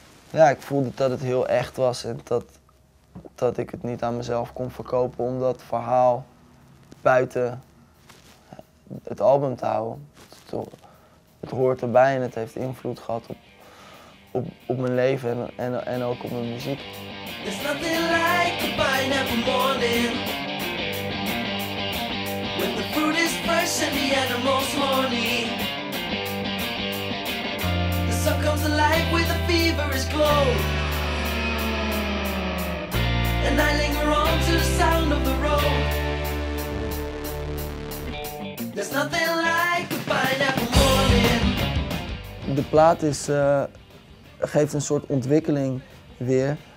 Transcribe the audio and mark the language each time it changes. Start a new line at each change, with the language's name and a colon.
Dutch: ja, ik voelde dat het heel echt was en dat ik het niet aan mezelf kon verkopen om dat verhaal buiten het album te houden. Het hoort erbij en het heeft invloed gehad op mijn leven en ook op mijn muziek.
English: There's nothing like a pineapple morning. When the fruit is fresh and the animals horny. The sun comes alive with a feverish glow. And I linger on to the sound of the road. There's nothing like a pineapple morning.
Dutch: De plaat is geeft een soort ontwikkeling weer.